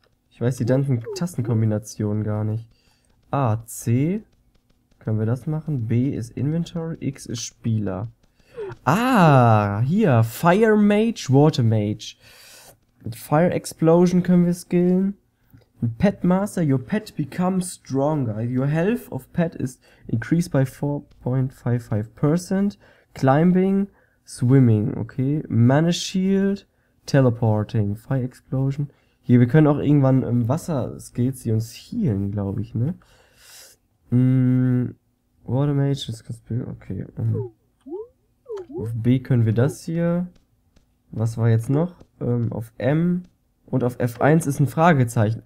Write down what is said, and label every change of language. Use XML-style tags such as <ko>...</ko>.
<de>Ich weiß die ganzen Tastenkombinationen gar nicht. A, C. Können wir das machen? B ist Inventory, X ist Spieler. Ah, hier. Fire Mage, Water Mage. Mit Fire Explosion können wir skillen.</de> <en>Pet Master, your pet becomes stronger. Your health of pet is increased by 4.55%. Climbing, swimming, okay. Mana Shield, teleporting, Fire Explosion.</en> <de>Hier, wir können auch irgendwann im Wasser Skills, die uns healen, glaube ich, ne? Water Mage, okay. Auf B können wir das hier. Was war jetzt noch? Auf M. Und auf F1 ist ein Fragezeichen.</de>